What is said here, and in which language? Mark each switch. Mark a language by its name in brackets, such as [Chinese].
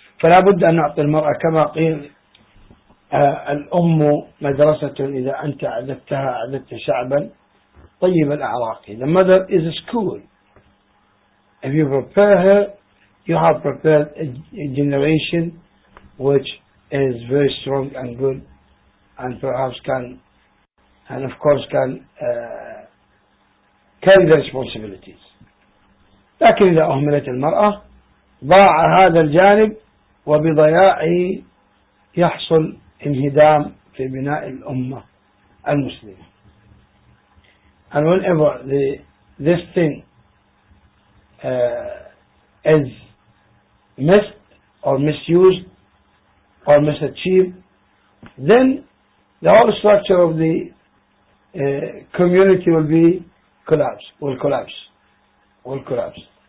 [Arabic] فلا بد أن نعطي المرأة كما قيل الأم مدرسة إذا أنت أعددتها أعددت شعبا طيب الأعراق. [English] The mother is a school. If you prepare her, you have prepared a generation which is very strong and good, and perhaps can, and of course can carry the responsibilities. [Arabic] لكن إذا أهملت المرأة ضاع هذا الجانب وبضياعه يحصل انهدام في بناء الأمة المسلمة. [English] And whenever this thing is missed or misused or misachieved, then the whole structure of the community will collapse.